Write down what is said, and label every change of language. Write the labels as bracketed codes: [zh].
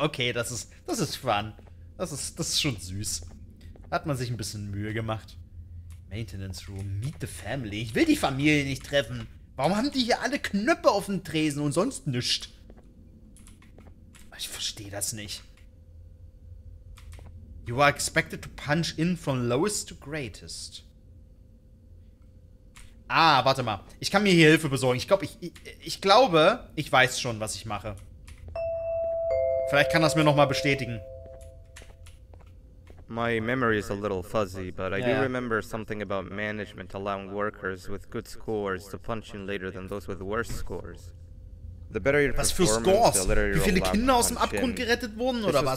[de] Okay, das ist fun. Das ist schon süß. Hat man sich ein bisschen Mühe gemacht. Maintenance Room, [en] meet the family. [de] Ich will die Familie nicht treffen. Warum haben die hier alle Knöpfe auf dem Tresen und sonst nichts? Ich verstehe das nicht. [en] You are expected to punch in from lowest to greatest. [de] Ah, warte mal. Ich kann mir hier Hilfe besorgen. Ich glaube, ich weiß schon, was ich mache. Vielleicht kann das mir nochmal bestätigen. [en] My memory is a little fuzzy, but I do remember something about management allowing workers with good scores to punch in later than those with worse scores. The better your performance, the later you're allowed to punch in. [de] Wie viele Kinder aus dem Abgrund gerettet wurden, oder was?